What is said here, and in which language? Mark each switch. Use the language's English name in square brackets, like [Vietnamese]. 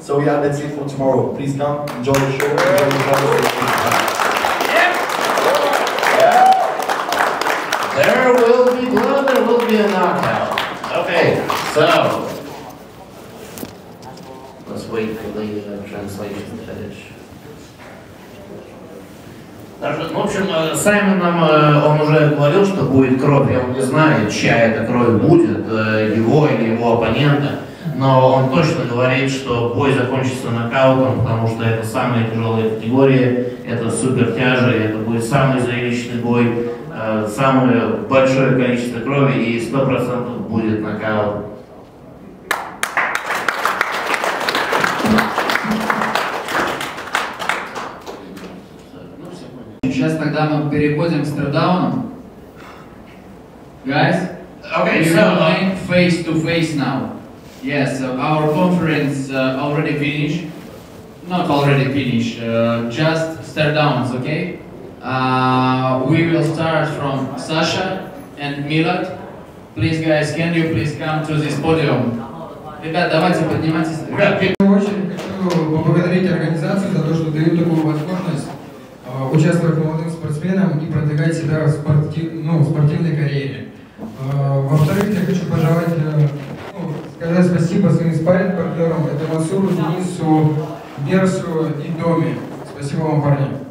[English] So yeah, that's it for tomorrow. Please come, enjoy the show. Enjoy the show. There will be blood, there will be a knockout. Okay, so let's wait for the translation to finish. [Russian] Даже, в общем, Саймон нам, он уже говорил, что будет кровь, я не знаю, чья эта кровь будет, его или его оппонента, но он точно говорит, что бой закончится нокаутом, потому что это самая тяжелая категория, это супертяжа, это будет самый зрелищный бой, самое большое количество крови и 100% будет нокаут. Сейчас тогда мы переходим к стердаунам. [English] Guys, okay, we so, are going face to face now. Yes, our conference already finished. Not already finished, just stardowns, okay? We will start from Sasha and Milad. Please, guys, can you please come to this podium? [Russian] Ребят, давайте подниматься. В первую очередь хочу поблагодарить организацию за то, что дают такую возможность участвовать молодым спортсменам и продвигать себя в спортивной карьере. Во-вторых, я хочу пожелать, сказать спасибо своим спарринг-партнерам, это Масуру, Денису, Берсу и Доме. Спасибо вам, парни.